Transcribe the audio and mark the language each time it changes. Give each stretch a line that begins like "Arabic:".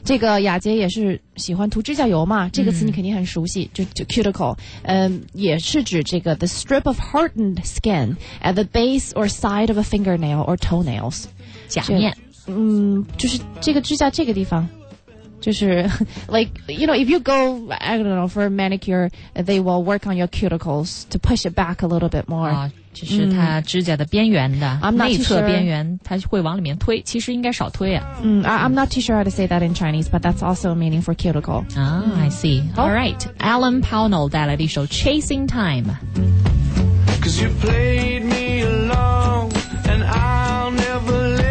Chinese: 这个雅洁也是喜欢涂指甲油嘛，这个词你肯定很熟悉，就 cuticle。也是指这个
English: the strip of hardened skin at the base or side of a fingernail or toenails。
Chinese: 甲面。就是这个指甲这个地方。
English: 就是 like, you know, if you go, I don't know, for a manicure, they will work on your cuticles to push it back a little bit more.
Chinese: 啊，就是它指甲的边缘的、内侧边缘、
English: sure.
Chinese: 它会往里面推，其实应该少推啊。
English: I'm not too sure how to say that in Chinese, but that's also a meaning for cuticle. I see. All right. Alan Pownall
Chinese: 带来的一首
English: Chasing Time. Cause you played me along and I'll never